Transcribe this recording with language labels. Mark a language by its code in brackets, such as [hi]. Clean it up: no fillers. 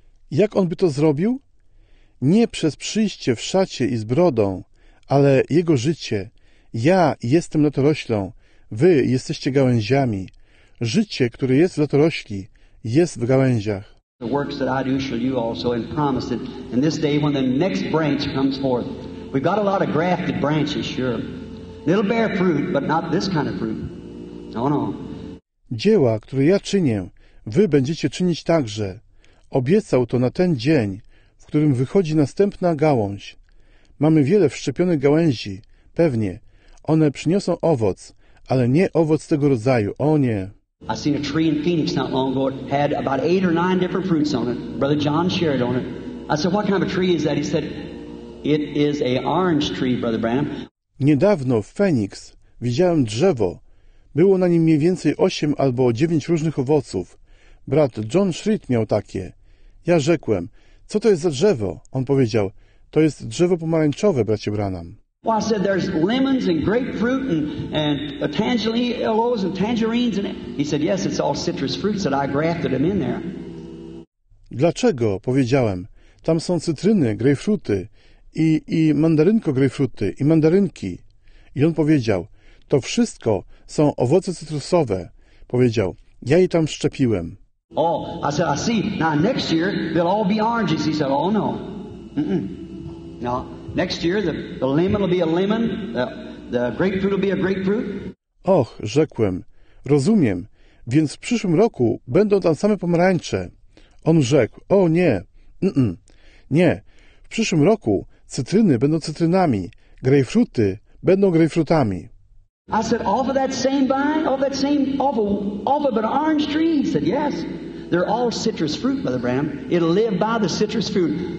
[pl] Jak on by to zrobił? Nie przez przyjście w szacie i z brodą, ale jego życie. Ja jestem latoroślą, wy jesteście gałęziami. Życie, które jest w latorośli, jest w gałęziach. [en] The works that I do shall you also, and promise that in this day when the next branch comes forth. We've got a lot of grafted branches, sure. It'll bear fruit, but not this kind of fruit. No, no. [pl] Dzieła, które ja czynię, wy będziecie czynić także. Obiecał to na ten dzień, w którym wychodzi następna gałąź. Mamy wiele wszczepionych gałęzi, pewnie. One przyniosą owoc, ale nie owoc tego rodzaju, o nie. [en] I seen a tree in Phoenix not long ago. It had about 8 or 9 different fruits on it. Brother John shared on it. I said, what kind of a tree is that? He said, it is a orange tree, Brother Branham. [pl] Niedawno w Phoenix widziałem drzewo. Było na nim mniej więcej 8 albo 9 różnych owoców. Brat John Schritt miał takie. Ja rzekłem, co to jest za drzewo? On powiedział, to jest drzewo pomarańczowe, bracie Branham. [en] Well, I said, there's lemons and grapefruit and tangerines and tangerines in it. He said, yes, it's all citrus fruits that I grafted them in there. [pl] Dlaczego? Powiedziałem. Tam są cytryny, grejpfruty i mandarynko grejpfruty i mandarynki. I on powiedział, to wszystko są owoce cytrusowe. Powiedział, ja je tam szczepiłem. [en] Oh, I said, I see. Now, next year, they'll all be oranges. He said, oh, no. Mm-mm. No. Next year the lemon will be a lemon, the grapefruit will be a grapefruit. [pl] Och, rzekłem, rozumiem, więc w przyszłym roku będą tam same pomarańcze. On rzekł, o nie, nie, w przyszłym roku cytryny będą cytrynami, grapefruity będą grapefruitami. [en] I said, off of that same vine, off of that same, off of an orange tree? He said, yes, they're all citrus fruit, Brother Branham. It'll live by the citrus fruit.